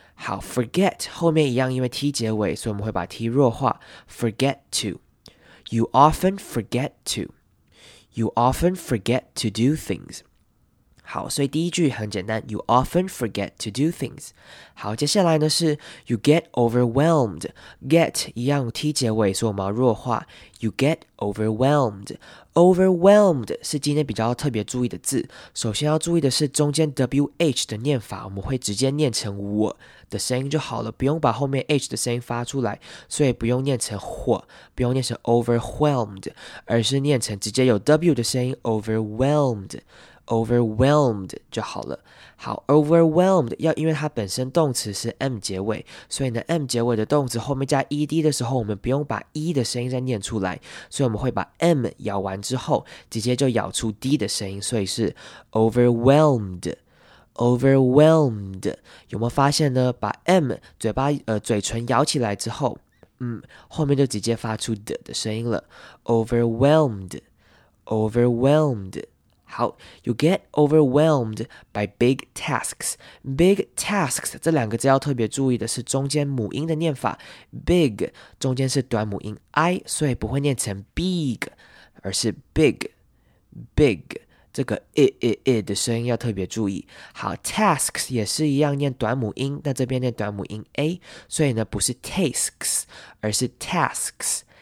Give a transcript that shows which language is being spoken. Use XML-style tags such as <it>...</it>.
<zh>好 ，forget 后面一样，因为 t 结尾，所以我们会把 t 弱化。</zh> <en>forget to。 You often forget to。 You often forget to do things。</en> <zh>好，所以第一句很简单</zh> <en>，You often forget to do things。</en> <zh>好，接下来呢是</zh> <en>You get overwhelmed。</en> <zh>get 一样 t 结尾，所以我们要弱化。</zh> <en>You get overwhelmed。</en> <zh>overwhelmed 是今天比较特别注意的字。首先要注意的是中间 wh 的念法，我们会直接念成我的声音就好了，不用把后面 h 的声音发出来，所以不用念成火，不用念成 overwhelmed， 而是念成直接有 w 的声音 overwhelmed。 overwhelmed 就好了。好 ，overwhelmed 要因为它本身动词是 m 结尾，所以呢 m 结尾的动词后面加 ed 的时候，我们不用把 e 的声音再念出来，所以我们会把 m 咬完之后，直接就咬出 d 的声音，所以是 overwhelmed。 overwhelmed 有没有发现呢？把 m 嘴唇咬起来之后，后面就直接发出 d 的声音了。</zh> <en>overwhelmed。 overwhelmed。好 ， You get overwhelmed by big tasks. Big tasks</en> <zh>这两个字要特别注意的是中间母音的念法。 Big 中间是短母音 i， 所以不会念成 big， 而是 big。 big 这个 i 的声音要特别注意。好 ，tasks 也是一样念短母音，但这边念短母音 a， 所以呢不是 tasks， 而是 tasks。</zh>